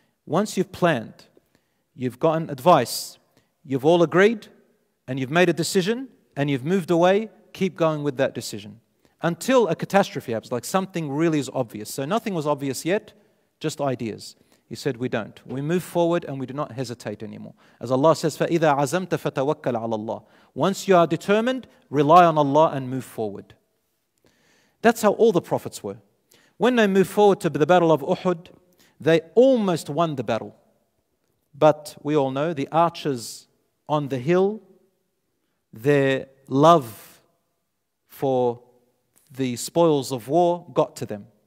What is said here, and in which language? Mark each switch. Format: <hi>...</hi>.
<en>Once you've planned, you've gotten advice, you've all agreed, and you've made a decision, and you've moved away, keep going with that decision. Until a catastrophe happens, like something really is obvious. So nothing was obvious yet, just ideas. He said, we don't. We move forward and we do not hesitate anymore. As Allah says,</en> <ar>فَإِذَا عَزَمْتَ فَتَوَكَّلْ عَلَى اللَّهِ.</ar> <en>Once you are determined, rely on Allah and move forward. That's how all the prophets were. When they moved forward to the Battle of Uhud, they almost won the battle. But we all know the archers on the hill, their love for the spoils of war got to them.</en>